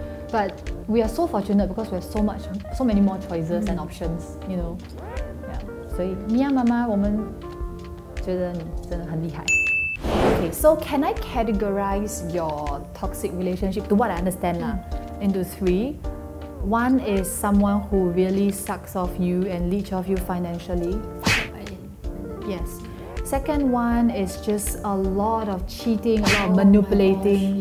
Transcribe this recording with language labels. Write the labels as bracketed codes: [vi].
[en] But we are so fortunate because we have so many more choices and options, you know. Yeah. [zh] 所以你要妈妈, 我们觉得你真的很厉害. [en] Okay, so can I categorize your toxic relationship to what I understand into three? One is someone who really sucks off you and leech off you financially. Yes. Second one is just a lot of cheating, a lot of manipulating.